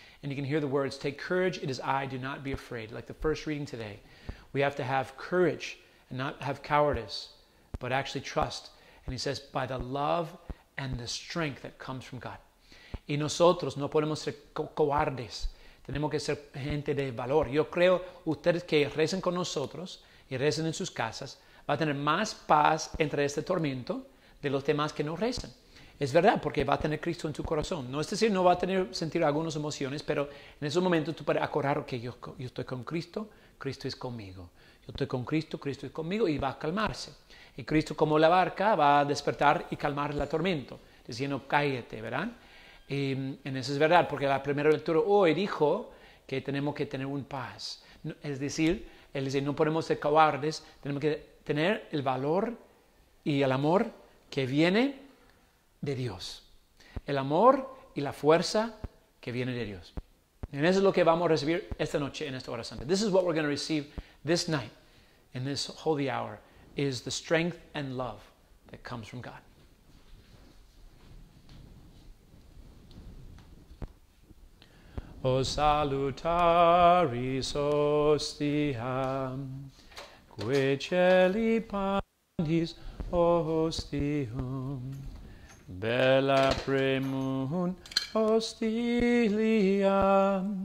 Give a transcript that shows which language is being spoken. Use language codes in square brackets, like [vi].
[en] And you can hear the words, "Take courage, it is I, do not be afraid." Like the first reading today, we have to have courage and not have cowardice, but actually trust. And he says, by the love and the strength that comes from God. [es] Y nosotros no podemos ser cobardes. Tenemos que ser gente de valor. Yo creo ustedes que recen con nosotros y recen en sus casas, va a tener más paz entre este tormento de los demás que no rezan. Es verdad, porque va a tener Cristo en tu corazón. No es decir, no va a tener sentir algunas emociones, pero en esos momentos tú puedes acordar que okay, yo estoy con Cristo, Cristo es conmigo. Yo estoy con Cristo, Cristo es conmigo, y va a calmarse. Y Cristo, como la barca, va a despertar y calmar el tormento, diciendo, cállate, ¿verdad? Y en eso es verdad, porque la primera lectura hoy dijo que tenemos que tener un paz. Es decir, él dice, no podemos ser cobardes, tenemos que tener el valor y el amor que viene de Dios. El amor y la fuerza que viene de Dios. [en] And [es] eso es lo que vamos a recibir esta noche en esta hora santa. [en] This is what we're going to receive this night, in this holy hour, is the strength and love that comes from God. [la] O salutaris hostia, quae celi panis hostium, bella premunt hostilia,